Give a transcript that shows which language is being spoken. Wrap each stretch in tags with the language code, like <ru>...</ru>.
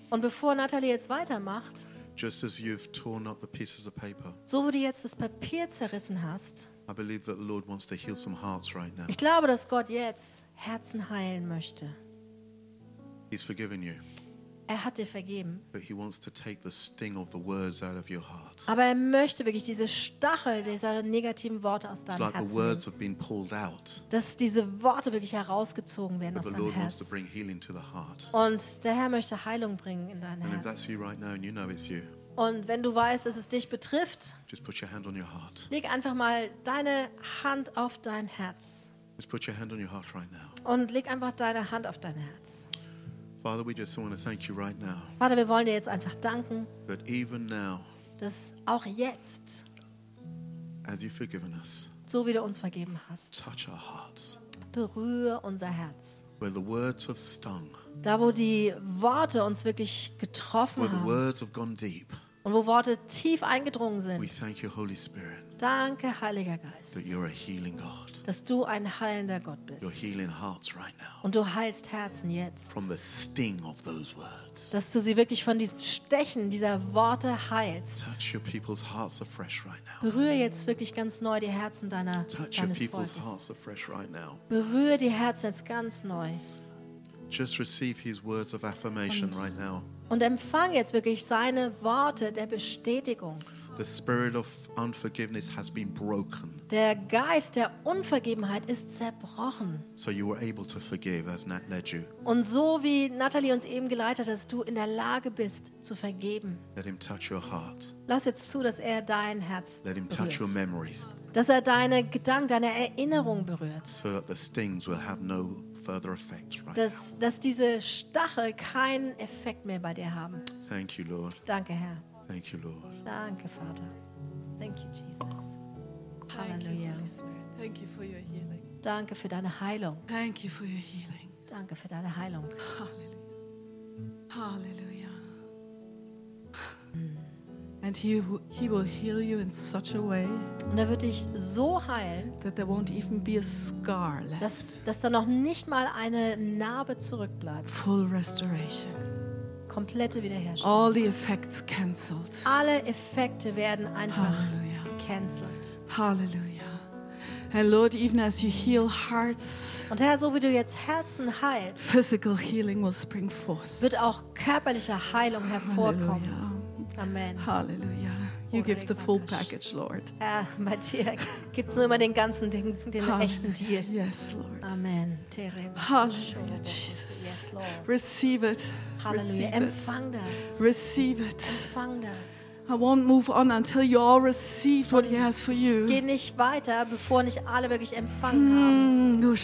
<de>Und bevor Natalie jetzt weitermacht.</de> <en>Just as you've torn up the pieces of paper.</en> <de>So wie du jetzt das Papier zerrissen hast.</de> <en>I believe that the Lord wants to heal some hearts right now.</en> <de>Ich glaube, dass Gott jetzt Herzen heilen möchte.</de> <en>He's forgiven you.</en> <de>Er hat dir vergeben.</de> <en>But he wants to take the sting of the words out of your heart.</en> <de>Aber er möchte wirklich diese Stachel dieser negativen Worte aus deinem Herzen.</de> <en>Like the words have been pulled out.</en> <de>Dass diese Worte wirklich herausgezogen werden aus deinem Herz.</de> <en>But the Lord wants to bring healing to the heart.</en> <de>Und der Herr möchte Heilung bringen in dein Herz.</de> <en>And if that's you right now and you know it's you.</en> <de>Und wenn du weißt, dass es dich betrifft.</de> <en>Just put your hand on your heart.</en> <de>Leg einfach mal deine Hand auf dein Herz.</de> <en>Just put your hand on your heart right now.</en> <de>Und leg einfach deine Hand auf dein Herz.</de> <en>Father, we just want to thank you right now.</en> <de>Vater, wir wollen dir jetzt einfach danken.</de> <en>That even now,</en> <de>dass auch jetzt,</de> <en>as you've forgiven us,</en> <de>so wie du uns vergeben hast,</de> <en>touch our hearts.</en> <de>Berühre unser Herz.</de> <en>Where the words have stung.</en> <de>Da wo die Worte uns wirklich getroffen</de> <en>where the</en> <de>haben.</de> <en>Words have gone deep.</en> <de>Und wo Worte tief eingedrungen sind.</de> <en>We thank you, Holy Spirit.</en> <de>Danke, Heiliger Geist.</de> <en>That you're a healing God.</en> <de>Dass du ein heilender Gott bist.</de> <en>You're healing hearts right now.</en> <de>Und du heilst Herzen jetzt.</de> <en>From the sting of those words.</en> <de>Dass du sie wirklich von diesem Stechen dieser Worte heilst.</de> <en>Touch your people's hearts afresh right now.</en> <de>Berühre jetzt wirklich ganz neu die Herzen deiner deines Volkes.</de> <en>Touch your people's hearts afresh right now.</en> <de>Berühre die Herzen jetzt ganz neu.</de> <en>Just receive his words of affirmation right now.</en> <de>Und empfang jetzt wirklich seine Worte der Bestätigung.</de> <en>The spirit of unforgiveness has been broken.</en> <de>Der Geist der Unvergebenheit ist zerbrochen.</de> <en>So you were able to forgive as Nat led you.</en> <de>Und so wie Natalie uns eben geleitet hat, dass du in der Lage bist zu vergeben.</de> <en>Let him touch your heart.</en> <de>Lass jetzt zu, dass er dein Herz berührt.</de> <en>Let him touch your memories.</en> <de>Dass er deine Gedanken, deine Erinnerung berührt.</de> <en>So that the stings will have no further effect right</en> <de>dass,</de> <en>now.</en> <de>Dass diese Stachel keinen Effekt mehr bei dir haben.</de> <en>Thank you, Lord.</en> <de>Danke, Herr.</de> <en>Thank you, Lord.</en> <de>Danke, Vater.</de> <en>Thank you, Jesus. Hallelujah. Thank you for your healing.</en> <de>Danke für deine Heilung.</de> <en>Thank you for your healing.</en> <de>Danke für deine Heilung. Hallelujah. Hallelujah.</de> <en>And he will heal you in such a way.</en> <de>Und er wird dich so heilen,</de> <en>that there won't even be a scar left.</en> <de>Dass da noch nicht mal eine Narbe zurückbleibt.</de> <en>Full restoration.</en> <de>Komplette Wiederherstellung.</de> <en>All the effects cancelled.</en> <de>Alle Effekte werden einfach cancelled. Halleluja.</de> <en>And Lord, even as you heal hearts,</en> <de>und Herr, so wie du jetzt Herzen heilst,</de> <en>physical healing will spring forth.</en> <de>Wird auch körperliche Heilung hervorkommen. Halleluja. Amen. Halleluja.</de> <en>You give the full package, Lord.</en> <de>Bei dir gibt's nur immer den ganzen Ding, den echten Deal.</de> <en>Yes, Lord. Amen. Halleluja, Jesus. Yes, Lord. Receive it.</en> <de>Halleluja. Empfang das.</de> <en>Receive it.</en> <de>Empfang das.</de> <en>I won't move on until you all receive what he has for you.</en> <de>Geh nicht weiter, bevor nicht alle wirklich empfangen haben.</de>